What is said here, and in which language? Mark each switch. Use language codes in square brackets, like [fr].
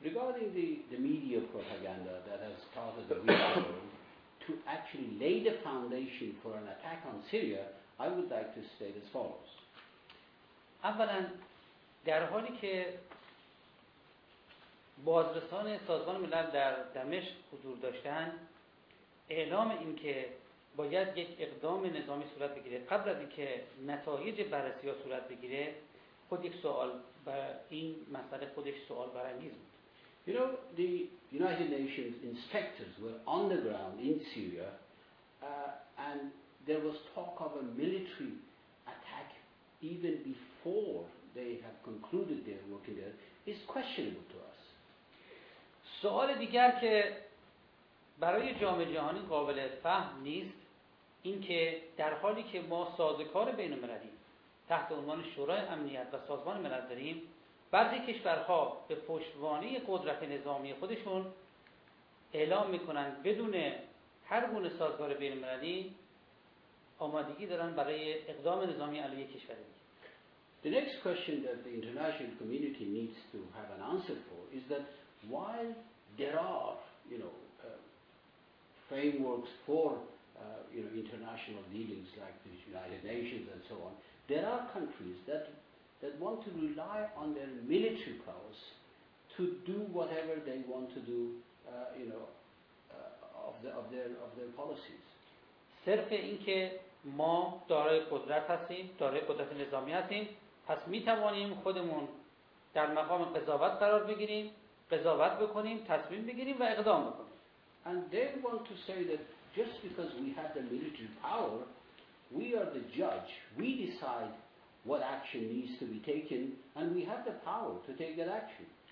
[en] Regarding the media propaganda that has started a week ago to actually lay the foundation for an attack on Syria, I would like to state as follows. [fa] اولا در حالی که بازرسان سازمان ملل در دمشق حضور داشتند، اعلام این که باید یک اقدام نظامی صورت بگیره قبل از اینکه نتایج بررسی ها صورت بگیره، خود یک سوال و این مسئله خودش سوال برانگیز بود. [en] You know, the United Nations inspectors were on the ground in Syria and there was talk of a military attack even before they have concluded their work there. It's questionable to us. [fa] سوال دیگر که برای جامعه جهانی قابل فهم نیست اینکه در حالی که ما سازوکار بین المللی تحت عنوان شورای امنیت و سازمان ملل داریم، بعضی کشورها به پشتوانه قدرت نظامی خودشون اعلام میکنن بدون هر گونه سازوکار بین المللی آمادگی دارن برای اقدام نظامی علیه کشور دیگه. [en] The next question that the international community needs to have an answer for is that while there are, you know, frameworks for, you know, international dealings like the United Nations and so on, there are countries that want to rely on their military powers to do whatever they want to do, you know, of their policies. [fa] صرف اینکه ما دارای قدرت هستیم، دارای قدرت نظامی هستیم، پس می توانیم خودمون در مقام قضاوت قرار بگیریم، قضاوت بکنیم، تصمیم بگیریم و اقدام بکنیم. [en] And they want to say that just because we have the military power, we are the judge. We decide what action needs to be taken, and we have the power to take that action.